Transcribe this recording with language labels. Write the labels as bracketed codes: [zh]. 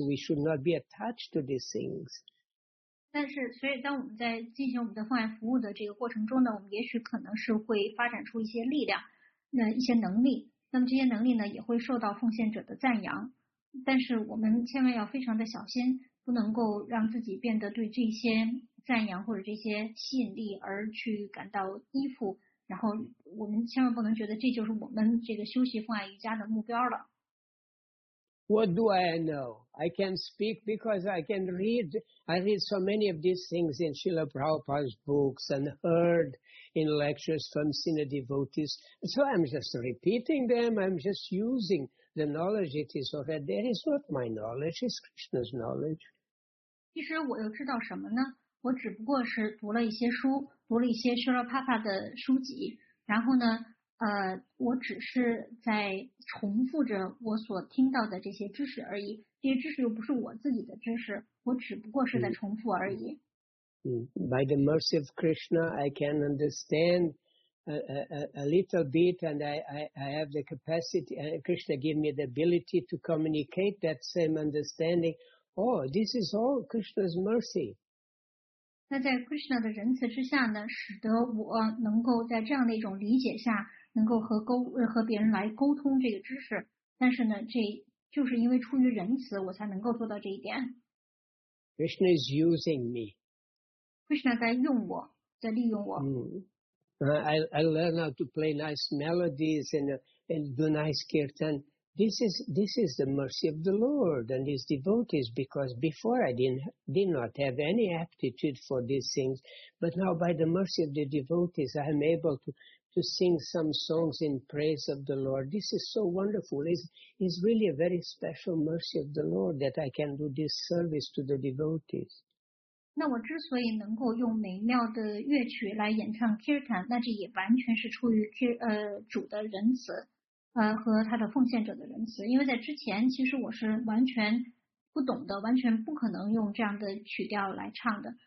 [en] We should not be attached to these things. [zh] 但是，所以当我们在进行我们的奉献服务的这个过程中呢，我们也许可能是会发展出一些力量，那一些能力。那么这些能力呢也会受到奉献者的赞扬，但是我们千万要非常的小心，不能够让自己变得对这些赞扬或者这些吸引力而去感到依附，然后我们千万不能觉得这就是我们这个修习奉献瑜伽的目标了。 [en] What do I know? I can speak because I can read. I read so many of these things in Srila Prabhupada's books and heardIn lectures from Srila devotees. So I'm just repeating them. I'm just using the knowledge it is already there. It's not my knowledge, it's Krishna's knowledge. [zh] 其实我又知道什么呢？我只不过是读了一些书，读了一些 Srila Prabhupada 的书籍，然后呢，我只是在重复着我所听到的这些知识而已。这些知识又不是我自己的知识，我只不过是在重复而已。 [en] By the mercy of Krishna, I can understand a little bit, and I have the capacity. Krishna gave me the ability to communicate that same understanding. Oh, this is all Krishna's mercy. [zh] 那在 Krishna 的仁慈之下呢，使得我能够在这样的一种理解下，能够和别人来沟通这个知识。但是呢，这就是因为出于仁慈，我才能够做到这一点。 [en] Krishna is using me. [zh] Krishna 在用我，在利用我。 [en] I learn how to play nice melodies and do nice kirtan. This is the mercy of the Lord and His devotees. Because before I did not have any aptitude for these things, but now by the mercy of the devotees, I am able to to sing some songs in praise of the Lord. This is so wonderful. It's really a very special mercy of the Lord that I can do this service to the devotees. [zh] 那我之所以能够用美妙的乐曲来演唱 Kirtan, 那这也完全是出于主的仁慈和他的奉献者的仁慈。因为在之前其实我是完全不懂的，完全不可能用这样的曲调来唱的。